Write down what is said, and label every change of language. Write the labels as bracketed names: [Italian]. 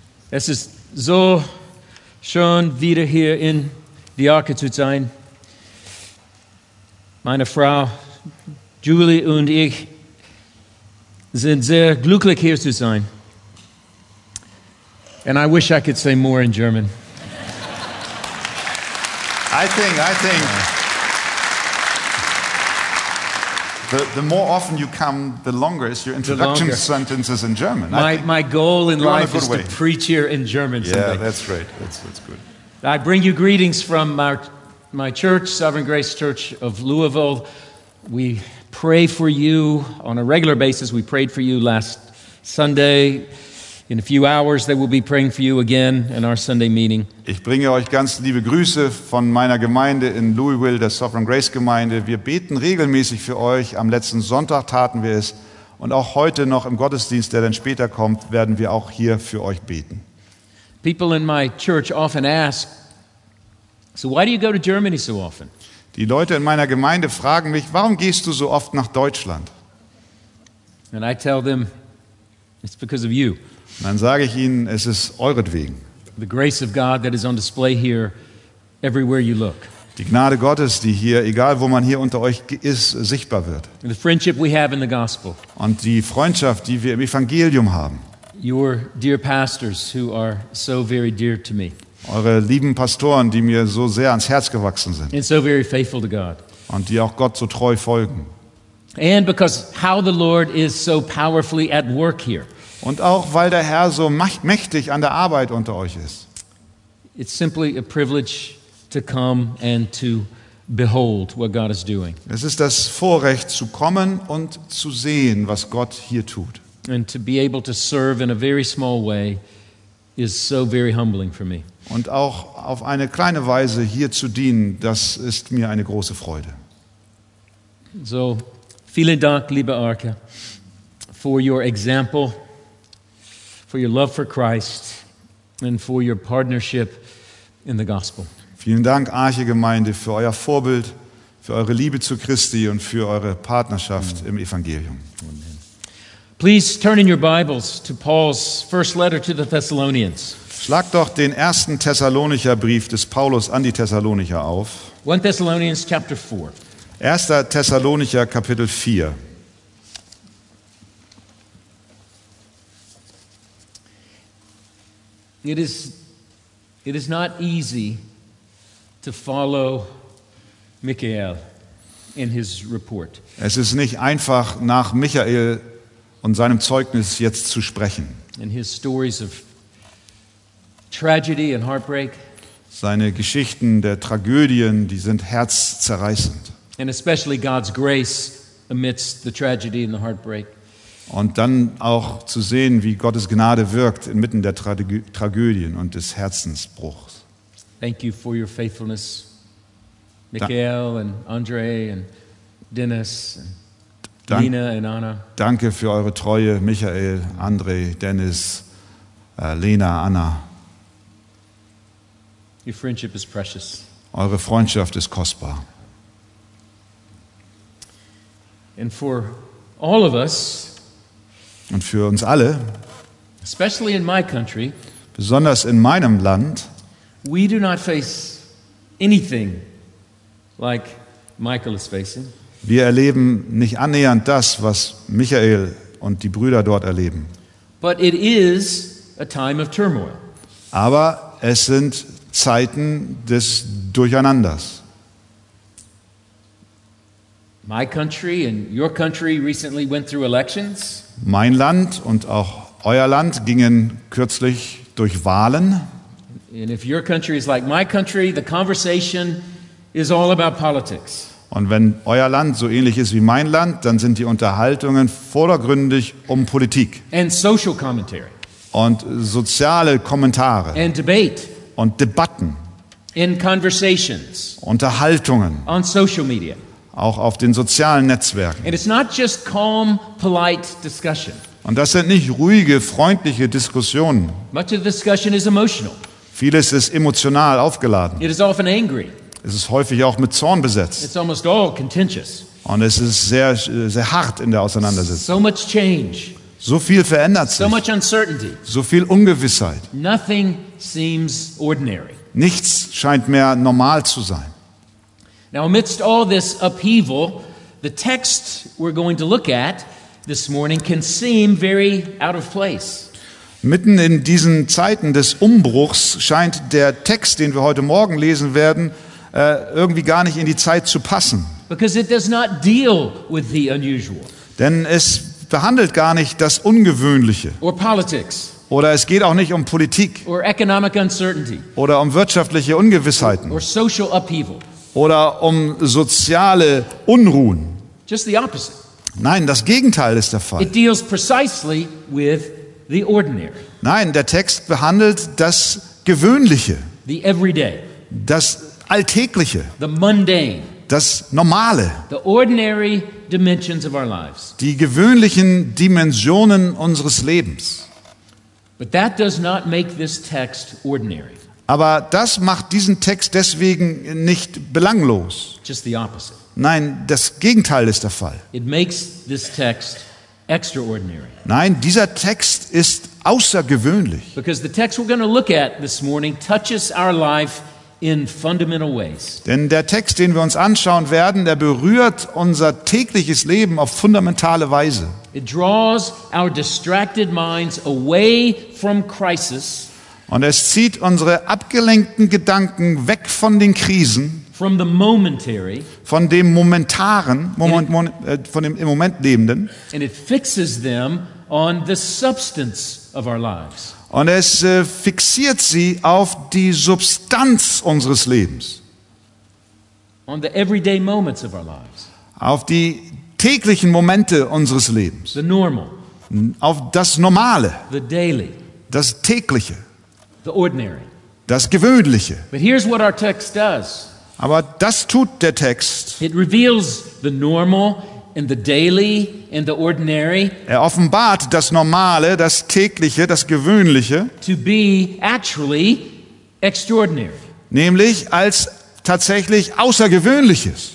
[German] Es ist so schön, wieder hier in die Arche zu sein. Meine Frau Julie und ich sind sehr glücklich, hier zu sein. [English] And I wish I could say more in German. I think. The more often you come, the longer is your introduction sentences in German. My goal in life is to preach here in German someday. Yeah, that's right. That's good. I bring you greetings from my church, Sovereign Grace Church of Louisville. We pray for you on a regular basis. We prayed for you last Sunday. In a few hours, they will be praying for you again in our Sunday meeting. [German] Ich bringe euch ganz liebe Grüße von meiner Gemeinde in Louisville, der Sovereign Grace Gemeinde. Wir beten regelmäßig für euch. Am letzten Sonntag taten wir es. Und auch heute noch im Gottesdienst, der dann später kommt, werden wir auch hier für euch beten. [English] People in my church often ask, so why do you go to Germany so often? [German] Die Leute in meiner Gemeinde fragen mich, warum gehst du so oft nach Deutschland? [English] And I tell them, it's because of you. [German] Und dann sage ich Ihnen, es ist euretwegen. [English] The grace of God that is on display here, everywhere you look. [German] Die Gnade Gottes, die hier, egal wo man hier unter euch ist, sichtbar wird. [English] The friendship we have in the gospel. [German] Und die Freundschaft, die wir im Evangelium haben. [English] Your dear pastors, who are so very dear to me. [German] Eure lieben Pastoren, die mir so sehr ans Herz gewachsen sind. [English] And so very faithful to God. [German] Und die auch Gott so treu folgen. [English] And because how the Lord is so powerfully at work here. [German] Und auch, weil der Herr so mächtig an der Arbeit unter euch ist. [English] It's simply a privilege to come and to behold what God is doing. [German] Es ist das Vorrecht, zu kommen und zu sehen, was Gott hier tut. [English] And to be able to serve in a very small way is so very humbling for me. [German] Und auch auf eine kleine Weise hier zu dienen, das ist mir eine große Freude. So, vielen Dank, liebe Arche, [English] for your example. For your love for Christ and for your partnership in the gospel. [German] Vielen Dank, Arche-Gemeinde, für euer Vorbild, für eure Liebe zu Christi und für eure Partnerschaft im Evangelium. Amen. [English] Please turn in your Bibles to Paul's first letter to the Thessalonians. [German] Schlag doch den ersten Thessalonicher Brief des Paulus an die Thessalonicher auf. [English] 1 Thessalonians chapter 4. [German] 1. Thessalonicher Kapitel 4. [English] It is not easy to follow Michael in his report. [German] Es ist nicht einfach, nach Michael und seinem Zeugnis jetzt zu sprechen. [English] In his stories of tragedy and heartbreak. [German] Seine Geschichten der Tragödien, die sind herzzerreißend. [English] And especially God's grace amidst the tragedy and the heartbreak. [German] Und dann auch zu sehen, wie Gottes Gnade wirkt inmitten der Tragödien und des Herzensbruchs. [English] Thank you for your faithfulness, Michael and Andre and Dennis and Lina and Anna. [German] Danke für eure Treue, Michael, Andre, Dennis, Lena, Anna. [English] Your friendship is precious. [German] Eure Freundschaft ist kostbar. [English] And for all of us. [German] Und für uns alle, [English] especially in my country, [German] besonders in meinem Land, [English] we do not face anything like Michael is facing. [German] Wir erleben nicht annähernd das, was Michael und die Brüder dort erleben. [English] But it is a time of turmoil. [German] Aber es sind Zeiten des Durcheinanders. [English] My country and your country recently went through elections. [German] Mein Land und auch euer Land gingen kürzlich durch Wahlen. [English] And if your country is like my country, the conversation is all about politics. [German] Und wenn euer Land so ähnlich ist wie mein Land, dann sind die Unterhaltungen vordergründig um Politik. [English] And social commentary. [German] Und soziale Kommentare. [English] And debate. [German] Und Debatten. [English] In conversations. [German] Unterhaltungen. [English] On social media. [German] Auch auf den sozialen Netzwerken. [English] And it's not just calm, polite discussion. [German] Und das sind nicht ruhige, freundliche Diskussionen. [English] Much of the discussion is emotional. [German] Vieles ist emotional aufgeladen. [English] It is often angry. [German] Es ist häufig auch mit Zorn besetzt. [English] It's almost all contentious. [German] Und es ist sehr, sehr hart in der Auseinandersetzung. [English] So much change. [German] So viel verändert sich. [English] So much uncertainty. [German] So viel Ungewissheit. [English] Nothing seems ordinary. [German] Nichts scheint mehr normal zu sein. [English] Now amidst all this upheaval, the text we're going to look at this morning can seem very out of place. [German] Mitten in diesen Zeiten des Umbruchs scheint der Text, den wir heute Morgen lesen werden, irgendwie gar nicht in die Zeit zu passen. [English] Because it does not deal with the unusual. [German] Denn es behandelt gar nicht das Ungewöhnliche. [English] Or politics. [German] Oder es geht auch nicht um Politik. [English] Or economic uncertainty. [German] Oder um wirtschaftliche Ungewissheiten. [English] Or social upheaval. [German] Oder um soziale Unruhen. [English] Just the opposite. [German] Nein, das Gegenteil ist der Fall. [English] It deals precisely with the ordinary. [German] Nein, der Text behandelt das Gewöhnliche. [English] The everyday. [German] Das Alltägliche. [English] The mundane. [German] Das Normale. [English] The ordinary dimensions of our lives. [German] Die gewöhnlichen Dimensionen unseres Lebens. [English] But that does not make this text ordinary. [German] Aber das macht diesen Text deswegen nicht belanglos. [English] Just the opposite. [German] Nein, das Gegenteil ist der Fall. [English] It makes this text extraordinary. [German] Nein, dieser Text ist außergewöhnlich. [English] Because the text we're going to look at this morning touches our life in fundamental ways. [German] Denn der Text, den wir uns anschauen werden, der berührt unser tägliches Leben auf fundamentale Weise. [English] It draws our distracted minds away from crisis. [German] Und es zieht unsere abgelenkten Gedanken weg von den Krisen, [English] from the momentary, [German] von dem momentaren, von dem im Moment Lebenden. [English] And it fixes them on the substance of our lives. [German] Und es fixiert sie auf die Substanz unseres Lebens. [English] On the everyday moments of our lives. [German] Auf die täglichen Momente unseres Lebens. [English] The normal. [German] Auf das Normale. [English] The daily. [German] Das Tägliche. [English] The ordinary. [German] Das Gewöhnliche. [English] But here's what our text does. [German] Aber das tut der Text. [English] It reveals the normal and the daily and the ordinary. [German] Er offenbart das Normale, das Tägliche, das Gewöhnliche. [English] To be actually extraordinary. [German] Nämlich als tatsächlich Außergewöhnliches.